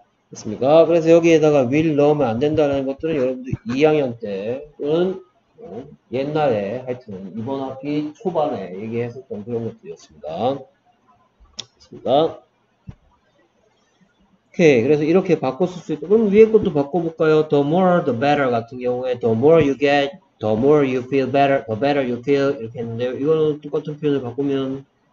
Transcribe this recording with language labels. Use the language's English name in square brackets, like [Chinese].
[Korean] 됐습니까? 그래서 여기에다가 will 넣으면 안 된다는 것들은 여러분들 2학년 때 또는 옛날에 하여튼 이번 학기 초반에 얘기했었던 그런 것들이었습니다. 됐습니다. 오케이. 그래서 이렇게 바꿨을 수 있다. 그럼 위에 것도 바꿔볼까요? [English] The more, the better [Korean] 같은 경우에 [English] the more you get The more you feel better, the better you feel. [Korean] 이렇게 했는데, 이거는 똑같은 표현을 바꾸면.